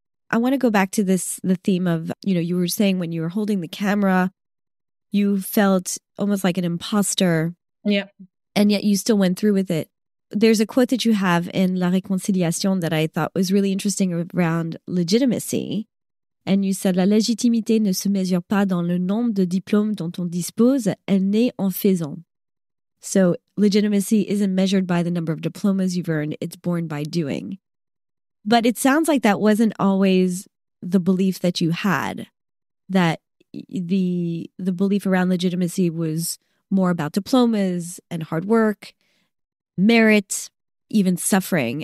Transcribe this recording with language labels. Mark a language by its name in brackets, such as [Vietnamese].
[English] I want to go back to this, the theme of, you know, you were saying when you were holding the camera, you felt almost like an imposter. Yeah. And yet you still went through with it. There's a quote that you have in La Réconciliation that I thought was really interesting around legitimacy. And you said, [French] la légitimité ne se mesure pas dans le nombre de diplômes dont on dispose, elle naît en faisant. [English] So legitimacy isn't measured by the number of diplomas you've earned, it's born by doing. But it sounds like that wasn't always the belief that you had, that the belief around legitimacy was more about diplomas and hard work, merit, even suffering.